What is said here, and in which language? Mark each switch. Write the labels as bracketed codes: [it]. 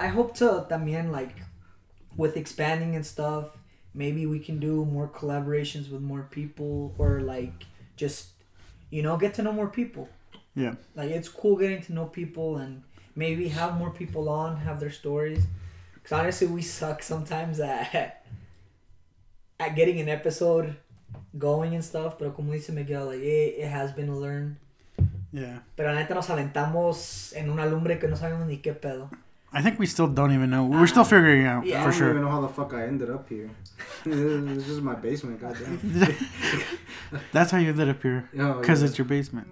[en] I hope to también, like, with expanding and stuff, maybe we can do more collaborations with more people or, like, just, you know, get to know more people. Yeah. Like, it's cool getting to know people and maybe have more people on, have their stories. Because honestly, we suck sometimes at getting an episode going and stuff, but [es] como dice Miguel, [en] like, it has been learned. Yeah. [es] Pero la neta nos aventamos en una lumbre que no sabemos ni qué pedo. [en] I think we still don't even know. We're still figuring out, yeah, for sure. I don't even know how the fuck I ended up here. This is my basement, goddamn. That's how you ended up here, because it's your basement.